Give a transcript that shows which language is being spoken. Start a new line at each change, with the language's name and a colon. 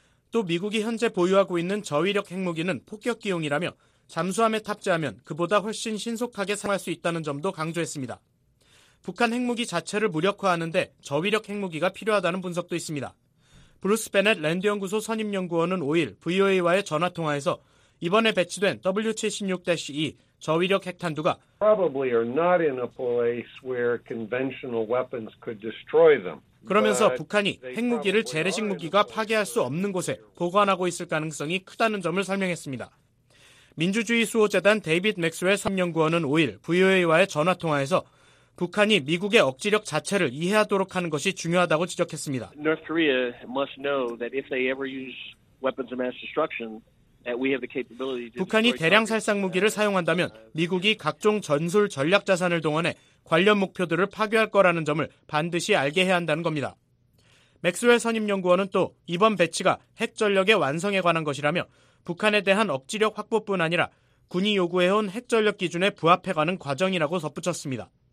Korean: 또 미국이 현재 보유하고 있는 저위력 핵무기는 폭격기용이라며 잠수함에 탑재하면 그보다 훨씬 신속하게 사용할 수 있다는 점도 강조했습니다. 북한 핵무기 자체를 무력화하는데 저위력 핵무기가 필요하다는 분석도 있습니다. 브루스 베넷 랜드연구소 선임연구원은 5일 VOA와의 전화통화에서 이번에 배치된 W76-E 저위력 핵탄두가
English: probably are not in a place where conventional weapons could destroy them.
Korean: 그러면서 북한이 핵무기를 재래식 무기가 파괴할 수 없는 곳에 보관하고 있을 가능성이 크다는 점을 설명했습니다. 민주주의 수호재단 데이빗 맥스웰 선임연구원은 5일 VOA와의 전화통화에서 북한이 미국의 억지력 자체를 이해하도록 하는 것이 중요하다고 지적했습니다.
English: North Korea must know that if they ever use weapons of mass destruction, that we have the capability to.
Korean: 북한이 대량 살상 무기를 사용한다면 미국이 각종 전술 전략 자산을 동원해 관련 목표들을 파괴할 거라는 점을 반드시 알게 해야 한다는 겁니다. 맥스웰 선임연구원은 또 이번 배치가 핵 전력의 완성에 관한 것이라며 북한에 대한 억지력 확보뿐 아니라 군이 요구해온 핵 전력 기준에 부합해가는 과정이라고 덧붙였습니다.